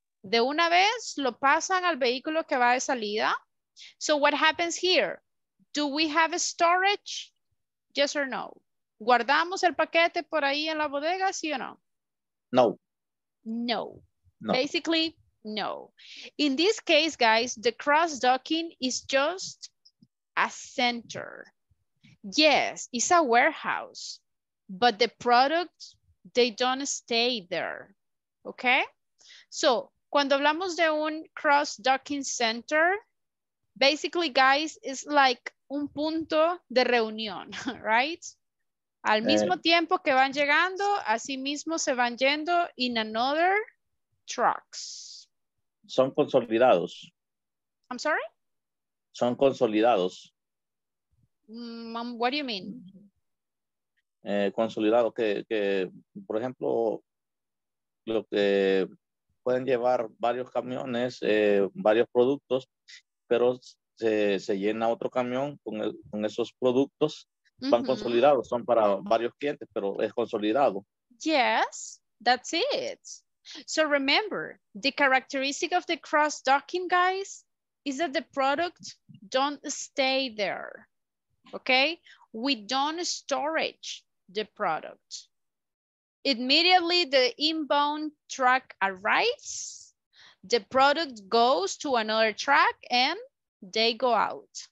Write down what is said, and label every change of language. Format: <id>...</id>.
<es>De una vez lo pasan al vehículo que va de salida.</es> <en>So what happens here? Do we have a storage? Yes or no?</en> <es>¿Guardamos el paquete por ahí en la bodega, sí o no? No.</es> <en>No. Basically, no. In this case, guys, the cross docking is just a center. Yes, it's a warehouse, but the product, they don't stay there. Okay? So,</en> <es>cuando hablamos de un</es> <en>cross docking center, basically, guys, it's like</en> <es>un punto de reunión,</es> <en>right?</en> <es>Al mismo tiempo que van llegando, así mismo se van yendo</es> <en>in another trucks.</en> <es>Son consolidados.</es> <en>I'm sorry?</en> <es>Son consolidados.</es> <en>What do you mean?</en> <es>Consolidados, que por ejemplo, lo que pueden llevar varios camiones, varios productos, pero se llena otro camión con esos productos. Van mm-hmm. consolidados, son para varios clientes, pero es consolidado.</es> <en>Yes, that's it. So remember, the characteristic of the cross-docking, guys, is that the product don't stay there, okay? We don't storage the product. Immediately, the inbound truck arrives, the product goes to another truck, and they go out.</en>